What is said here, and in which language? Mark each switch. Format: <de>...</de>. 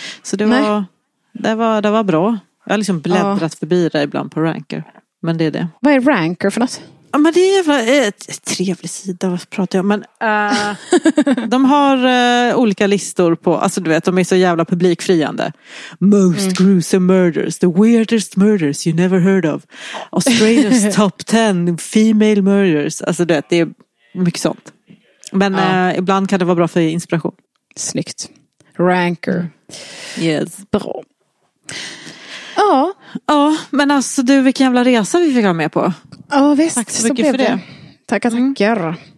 <sv>Så det var bra. Jag har liksom bläddrat förbi det ibland på Ranker, men det är det. Vad är Ranker för något? Ja, men det är ett trevligt sida, vad pratar jag om? Men de har olika listor på, alltså du vet, de är så jävla publikfriande.</sv> <en>Most gruesome murders, the weirdest murders you never heard of. Australia's top 10 female murders.</en> <sv>Alltså du vet, det är mycket sånt. Men ibland kan det vara bra för inspiration. Snyggt. Ranker.</sv> <en>Yes.</en> <sv>Bra. Ja. Ja, men alltså du, vilken jävla resa vi fick ha med på. Ja, visst. Tack så mycket för det. Tackar, tackar.</sv>